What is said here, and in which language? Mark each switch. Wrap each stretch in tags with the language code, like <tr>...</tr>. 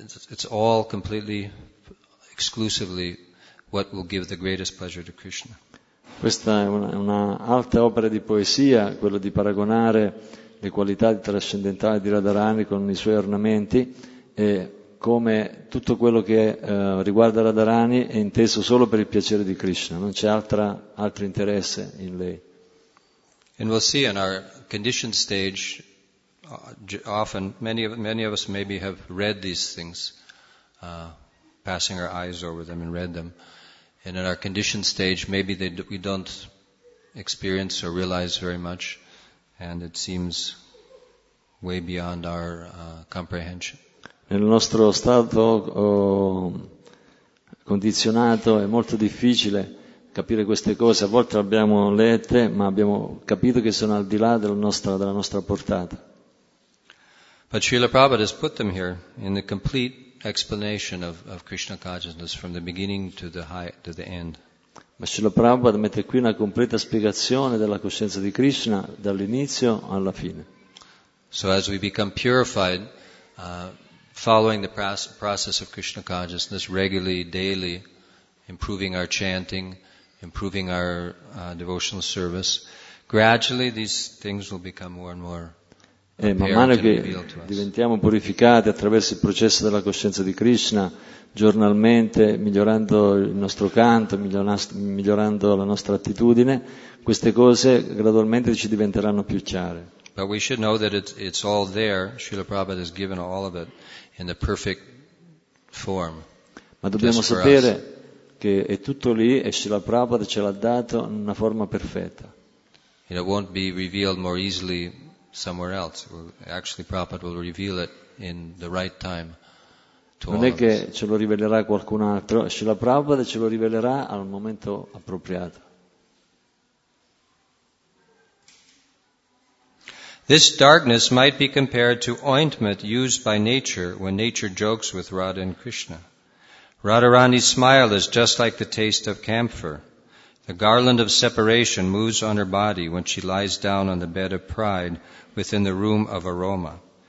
<en>It's all completely, exclusively, what will give the greatest pleasure to Krishna.</en> <it>Questa è una alta opera di poesia, quello di paragonare le qualità trascendentali di Radharani con i suoi ornamenti e come tutto quello che riguarda Radharani è inteso solo per il piacere di Krishna, non c'è altro interesse in lei.</it> <en>And we'll see in our conditioned stage, often many of us maybe have read these things, passing our eyes over them and read them, and in our conditioned stage maybe we don't experience or realize very much, and it seems way beyond our comprehension.</en> <it>Nel nostro stato condizionato è molto difficile capire queste cose. A volte abbiamo lette, ma abbiamo capito che sono al di là della nostra portata.</it> <en>But Srila Prabhupada has put them here in the complete explanation of Krishna consciousness from the beginning to the end.</en> <it>Ma Srila Prabhupada mette qui una completa spiegazione della coscienza di Krishna dall'inizio alla fine.</it> <en>So as we become purified, following the process of Krishna consciousness regularly, daily, improving our chanting, improving our devotional service, gradually these things will become more and more apparent</en> <it>man mano</it> <en>and</en> <it>che</it> <en>revealed to us.</en> <it>Diventiamo purificati attraverso il processo della coscienza di Krishna, giornalmente migliorando il nostro canto, migliorando la nostra attitudine, queste cose gradualmente ci diventeranno più chiare.</it> <en>But we should know that it's all there. Srila Prabhupada has given all of it in the perfect form.</en> <it>Ma dobbiamo sapere che è tutto lì e Srila Prabhupada ce l'ha dato in una forma perfetta.</it> <en>It won't be revealed more easily somewhere else. Actually, Prabhupada will reveal it in the right time.</en> <it>Non è che ce lo rivelerà qualcun altro, Srila Prabhupada ce lo rivelerà al momento appropriato.</it> <en>This darkness might be compared to ointment used by nature when nature jokes with Radha and Krishna. Radharani's smile is just like the taste of camphor. The garland of separation moves on her body when she lies down on the bed of pride within the room of aroma.</en>